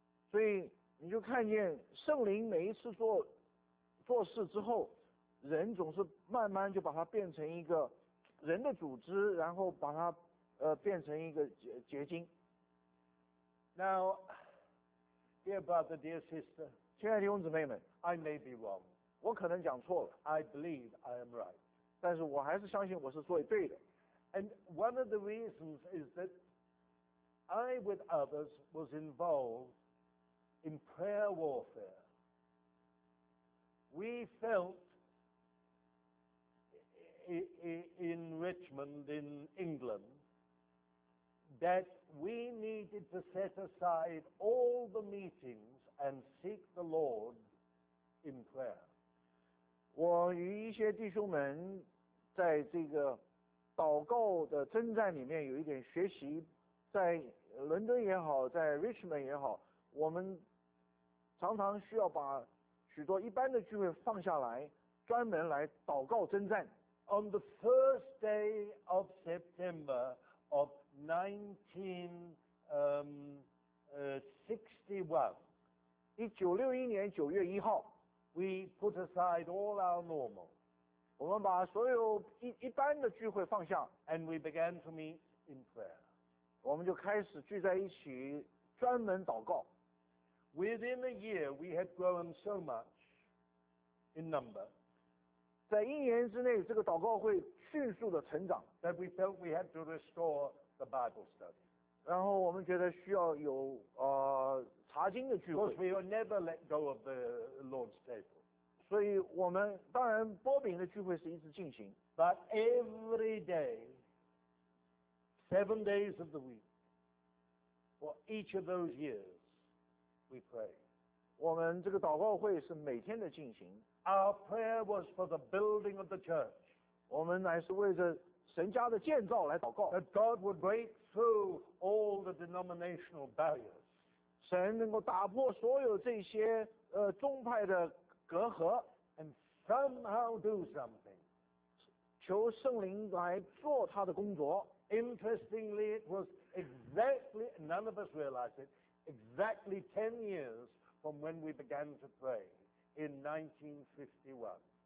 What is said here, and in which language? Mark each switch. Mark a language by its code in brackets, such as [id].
[zh] 所以你就看见圣灵每一次做事之后，人总是慢慢就把它变成一个人的组织，然后把它变成一个结晶。 [en] Now, dear brother, dear sister, [zh] 亲爱的弟兄姊妹们 [en] ，I may be wrong, [zh] 我可能讲错了 [en] ，I believe I am right, [zh] 但是我还是相信我是做对的。 [en] And one of the reasons is that I, with others, was involved. In prayer warfare, we felt in Richmond, in England, that we needed to set aside all the meetings and seek the Lord in prayer. [zh] 我与一些弟兄们在这个祷告的征战里面有一点学习，在伦敦也好，在 Richmond 也好，我们常常需要把许多一般的聚会放下来，专门来祷告征战。 [en] On the first day of September of 1961, [zh] 1961年9月1号 [en] ，we put aside all our normal. [zh] 我们把所有一般的聚会放下 [en] ，and we began to meet in prayer. [zh] 我们就开始聚在一起，专门祷告。 [en] Within a year, we had grown so much in number. [zh] 在一年之内，这个祷告会迅速的成长。 [en] That we felt we had to restore the Bible study. [zh] 然后我们觉得需要有查经的聚会。 [en] Because we will never let go of the Lord's table. [zh] 所以我们当然擘饼的聚会是一直进行。 [en] But every day, 7 days of the week, for each of those years. We pray. [zh] 我们这个祷告会是每天的进行。 [en] Our prayer was for the building of the church. [zh] 我们乃是为着神家的建造来祷告。 [en] That God would break through all the denominational barriers. [zh] 神能够打破所有这些宗派的隔阂。 [en] And somehow do something. [zh] 求圣灵来做他的工作。 [en] Interestingly, it was exactly, none of us realized it,Exactly 10 years from when we began to pray in 1951.